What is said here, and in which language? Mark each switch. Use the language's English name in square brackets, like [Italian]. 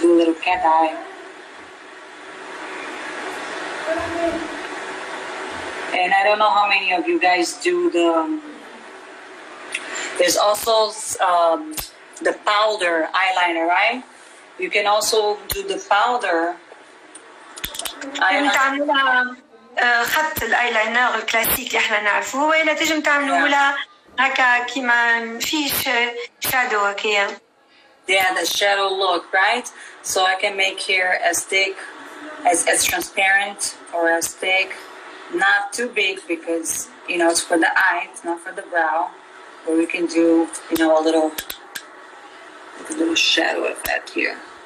[English] Do a little cat eye. And I don't know how many of you guys do the there's also the powder eyeliner, right? You can also do the powder [Arabic] eyeliner الكلاسيك اللي احنا نعرفوه ولا تجم تعملوا له هكا كيما فيش شادو هكا. [English] Yeah, the shadow look, right? So I can make here a stick as transparent or as thick, not too big because, you know, it's for the eye, it's not for the brow, but we can do, you know, a little shadow effect here.